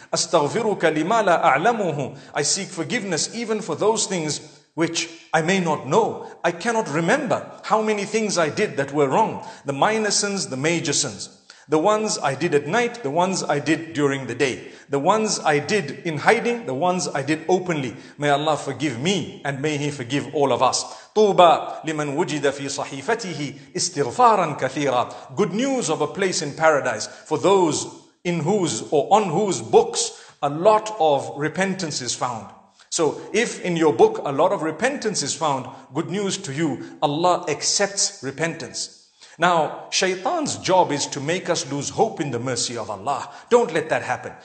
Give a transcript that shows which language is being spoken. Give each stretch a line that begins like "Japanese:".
Arabic: Astaghfiruka lima la a'lamuhu.
English: I seek forgiveness even for those things which I may not know. I cannot remember how many things I did that were wrong. The minor sins, the major sins. The ones I did at night, the ones I did during the day. The ones I did in hiding, the ones I did openly. May Allah forgive me and may He forgive all of us.
Arabic: طوبى لمن وجد في صحيفته استغفارا كثيرا.
English: Good news of a place in paradise for those in whose or on whose books a lot of repentance is found. So if in your book a lot of repentance is found, good news to you, Allah accepts repentance. Now, shaitan's job is to make us lose hope in the mercy of Allah. Don't let that happen.